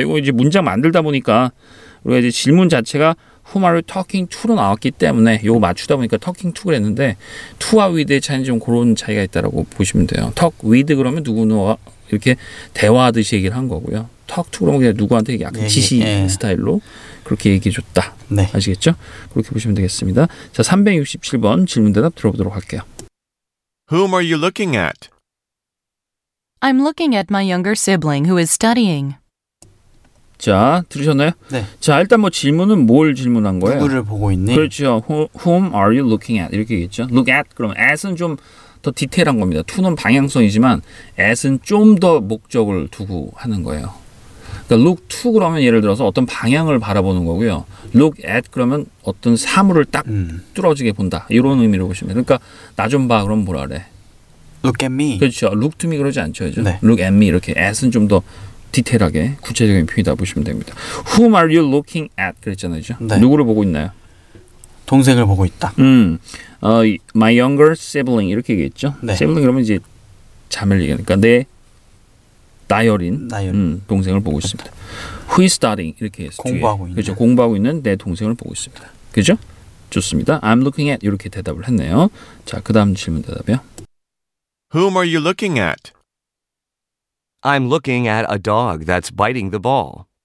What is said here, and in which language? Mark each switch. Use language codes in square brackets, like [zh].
[ko] 이거 이제 문장 만들다 보니까 우리가 이제 질문 자체가 [en] Whom are you talking to [ko] 로 나왔기 때문에 요거 맞추다 보니까 talking to 그랬는데 to와 with의 차이는 좀 그런 차이가 있다라고 보시면 돼요. talk with 그러면 누구누구와 이렇게 대화하듯이 얘기를 한 거고요. talk to 그러면 그냥 누구한테 약간 지시 예, 예. 스타일로 그렇게 얘기해줬다. 네. 아시겠죠? 그렇게 보시면 되겠습니다. 자, 367번 질문 대답 들어보도록 할게요. [en] Whom are you looking at? I'm looking at my younger sibling who is studying. [ko] 자, 들으셨나요? 네. 자, 일단 뭐 질문은 뭘 질문한 거예요? 누구를 보고 있니? 그렇죠. [en] Whom are you looking at? [ko] 이렇게 얘기했죠. Look at, 그러면 at은 좀 더 디테일한 겁니다. 2는 방향성이지만 at은 좀 더 목적을 두고 하는 거예요. 그러니까 look to 그러면 예를 들어서 어떤 방향을 바라보는 거고요. look at 그러면 어떤 사물을 딱 뚫어지게 본다. 이런 의미로 보시면 그러니까 나 좀 봐 그럼 뭐라 그래? [en] look at me. [ko] 그렇죠. [en] look to me [ko] 그러지 않죠. 그렇죠? 네. [en] look at me [ko] 이렇게 at은 좀 더 디테일하게 구체적인 표현이다 보시면 됩니다. [en] whom are you looking at [ko] 그랬잖아요. 그렇죠? 네. 누구를 보고 있나요? 동생을 보고 있다. [en] My younger sibling [ko] 이렇게 얘기했죠. 네. sibling 그러면 이제 자매를 얘기하니까 내 나열인 동생을 보고 있습니다. [en] Who is studying? [ko] 이렇게 해서 공부하고 있는. 그렇죠. 공부하고 있는 내 동생을 보고 있습니다. 그렇죠? 좋습니다. [en] I'm looking at [ko] 이렇게 대답을 했네요. 자, 그 다음 질문 대답이요. [en] Whom are you looking at? I'm looking at a dog that's biting the ball.